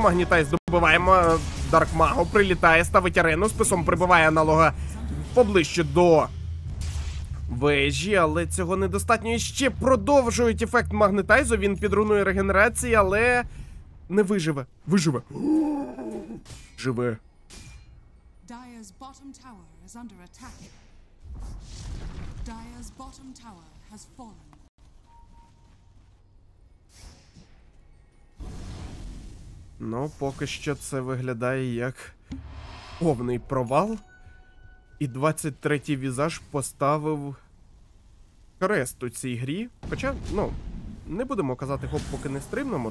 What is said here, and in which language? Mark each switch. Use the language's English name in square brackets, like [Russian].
[Ukrainian] Магнітайз добиваємо. Даркмаго прилітає, ставить арену. Списом прибиває аналога поближче до вежі, але цього недостатньо. І ще продовжують ефект магнетайзу. Він під руною регенерації, але не виживе. Виживе. Живе. [English] Dire's bottom tower is under attack. Dire's bottom tower has fallen. [Ukrainian] Ну, поки що це виглядає як повний провал. І 23-й візаж поставив крест у цій грі. Хоча, ну, не будемо казати хоп, поки не стримнемо.